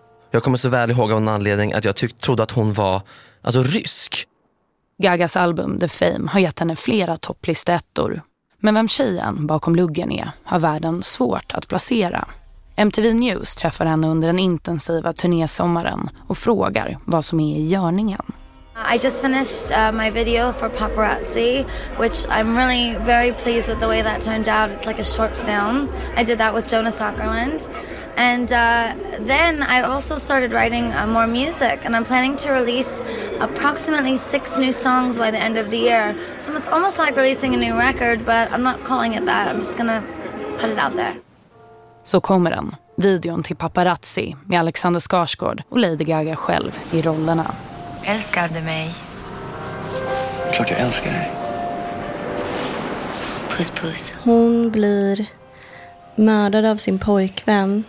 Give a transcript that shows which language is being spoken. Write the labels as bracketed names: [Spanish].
[Swedish] Jag kommer så väl ihåg av en anledning att jag trodde att hon var alltså rysk. Gagas album The Fame har gett henne flera topplistettor. Men vem tjejen bakom luggen är har världen svårt att placera. MTV News träffar henne under den intensiva turnésommaren och frågar vad som är i görningen. [English] I just finished my video for Paparazzi, which I'm really very pleased with the way that turned out. It's like a short film. I did that with Jonas Åkerlund. And then I also started writing more music and I'm planning to release approximately 6 new songs by the end of the year. So it's almost like releasing a new record, but I'm not calling it that. I'm just gonna put it out there. [Swedish] Så kommer den, videon till Paparazzi med Alexander Skarsgård och Lady Gaga själv i rollerna. Älskar du mig? Klart jag älskar dig. Puss, puss. Hon blir mördad av sin pojkvän.